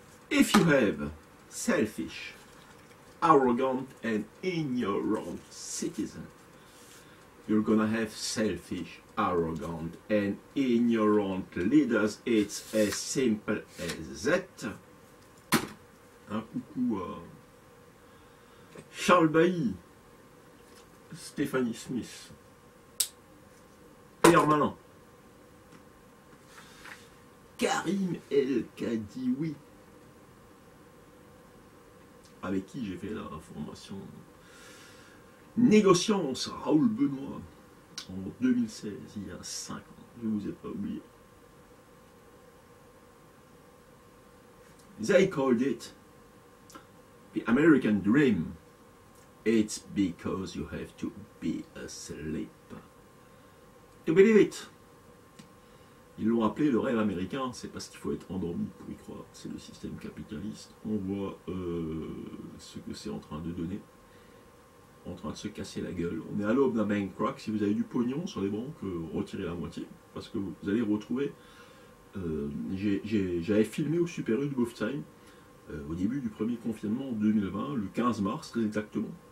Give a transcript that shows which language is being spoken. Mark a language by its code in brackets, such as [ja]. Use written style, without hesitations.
[en] If you have selfish, arrogant, and ignorant citizens, you're gonna have selfish, arrogant, and ignorant leaders. It's as simple as that. [fr] Un coucou à Charles Bailly, Stephanie Smith, Pierre Malin, Karim El Kadioui, avec qui j'ai fait la formation négociance, Raoul Benoît. En 2016, il y a 5 ans, je ne vous ai pas oublié. [en] They called it the American dream. It's because you have to be asleep to believe it. [fr] Ils l'ont appelé le rêve américain, c'est parce qu'il faut être endormi pour y croire. C'est le système capitaliste. On voit ce que c'est en train de donner. En train de se casser la gueule. On est à l'aube d'un bank crack. Si vous avez du pognon sur les banques, retirez la moitié. Parce que vous allez retrouver. J'avais filmé au Super U de Bofstein au début du premier confinement en 2020, le 15 mars très exactement.